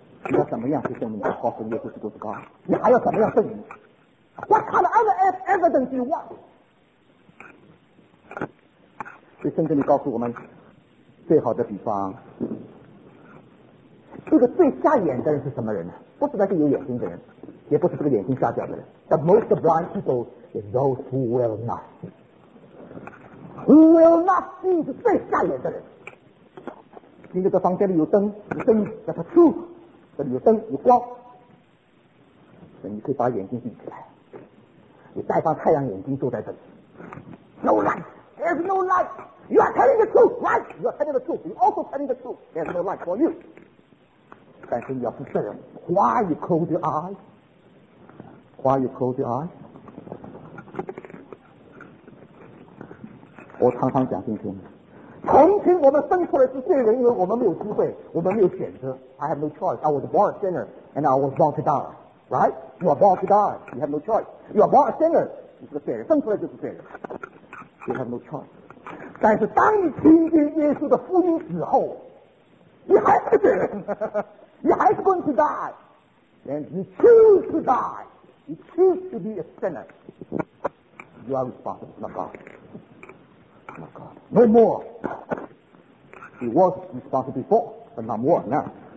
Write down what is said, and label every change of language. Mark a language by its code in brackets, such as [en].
[zh] 你要怎么样去证明？告诉耶稣基督是 God， 你还要怎么样证明 ？ [en] What kind of evidence do you want？ [zh] 所以圣经里告诉我们，最好的比方。这个最瞎眼的人是什么人呢？不是那些有眼睛的人，也不是这个眼睛瞎掉的人。 [en] The most blind people is those who will not see. Who will not see [zh] 是最瞎眼的人。今天这房间里有灯，有灯叫它 truth， 这里有灯有光，所以你可以把眼睛闭起来，你戴上太阳眼睛坐在这里。 [en] No light, there's no light. You are telling the truth, right? You are telling the truth. You also telling the truth. There's no light for you. [zh] 但是你要不承认 [en] ，Why you close your eyes? Why you close your eyes? [zh] 我常常讲今天，从前我们生出来是罪人，因为我们没有机会，我们没有选择。 [en] I have no choice. I was born a sinner and I was born to die. Right? You are born to die. You have no choice. You are born a sinner. [zh] 你是个罪人，生出来就是罪人。 [en] You have no choice. [zh] 但是当你听见耶稣的福音之后，你还是罪人。 [en] You are going to die, and you choose to die. You choose to be a sinner. You are responsible, not God. Not God. No more. It was responsible before, but not more now.